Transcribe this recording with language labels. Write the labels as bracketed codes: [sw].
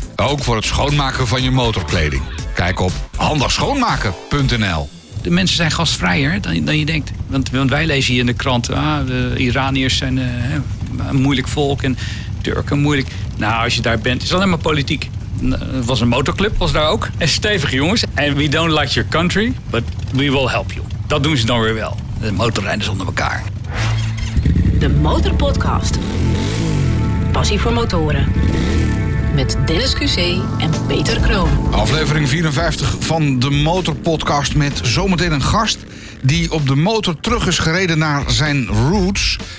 [nl] Ook voor het schoonmaken van je motorkleding. Kijk op handigschoonmaken.nl. De mensen zijn gastvrijer dan je denkt. Want wij lezen hier in de krant, de Iraniërs zijn een moeilijk volk en Turken moeilijk. Nou, als je daar bent, is het alleen maar politiek. Het was een motorclub, was daar ook. En stevig, jongens. [en] And we don't like your country, but we will help you. [nl] Dat doen ze dan weer wel. De motorrijders onder elkaar. De Motorpodcast. Passie voor motoren. Met Dennis QC en Peter Kroon. Aflevering 54 van de Motorpodcast met zometeen een gast die op de motor terug is gereden naar zijn roots.